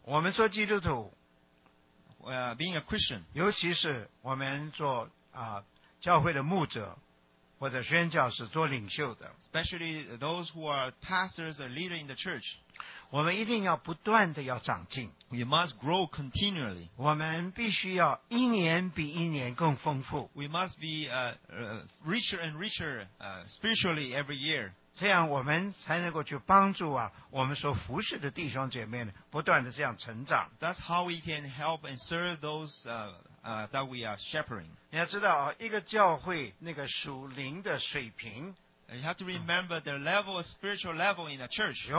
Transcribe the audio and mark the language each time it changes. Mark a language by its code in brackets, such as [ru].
[zh] 我们做基督徒， [en] being a Christian， [zh] 尤其是我们做教会的牧者。或者宣教士做领袖的, [en] especially those who are pastors or leaders in the church, [zh] 我们一定要不断地要长进, [en] we must grow continually, [zh] 我们必须要一年比一年更丰富, [en] we must be richer and richer spiritually every year, [zh] 这样我们才能够去帮助啊, 我们所服侍的弟兄姐妹呢, 不断地这样成长, [en] that's how we can help and serve those that we are shepherding. [zh] 你要知道, 一个教会那个属灵的水平, [en] you have to remember the level of spiritual level in a church.